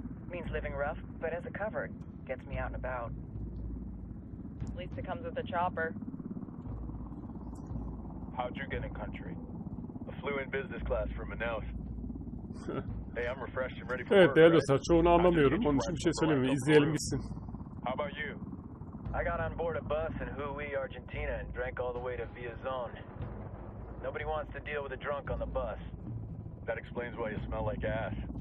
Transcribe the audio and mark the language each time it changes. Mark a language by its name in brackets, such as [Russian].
[English] Means living rough, but as a cover, gets me out and about. At least it comes with a chopper. How'd you get in country? I flew in business class from Manaus. Hey, I'm refreshed and ready for [Turkish] evet, [English] work. [Turkish] Değerli dostlar, çoğunu anlamıyorum. Onun için bir şey söylemiyorum. İzleyelim gitsin. [English] How about you? I got on board a bus in Huy, Argentina and drank all the way to Villazón. Nobody wants to deal with a drunk on the bus. That explains why you smell like ass.